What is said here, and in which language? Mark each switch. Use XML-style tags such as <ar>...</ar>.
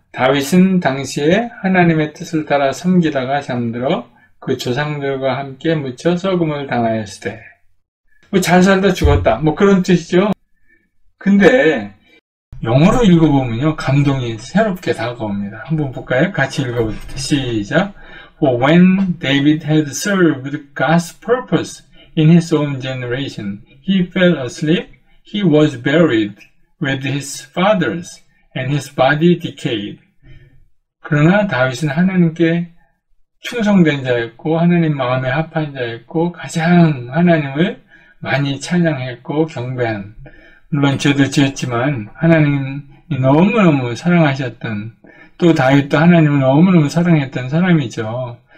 <ko>다윗은 당시에 하나님의 뜻을 따라 섬기다가 잠들어 그 조상들과 함께 묻혀 썩음을 당하였으되. 뭐 잘 살다 죽었다 뭐 그런 뜻이죠. 근데 영어로 읽어보면요, 감동이 새롭게 다가옵니다. 한번 볼까요? 같이 읽어보세요. 시작!</ko> <en>For when David had served God's purpose in his own generation, he fell asleep, he was buried with his fathers, and his body decayed.</en> <ko>그러나 다윗은 하나님께 충성된 자였고, 하나님 마음에 합한 자였고, 가장 하나님을 많이 찬양했고, 경배한. 물론 죄도 지었지만 하나님이 너무너무 사랑하셨던, 또 다윗도 하나님을 너무너무 사랑했던 사람이죠.</ko>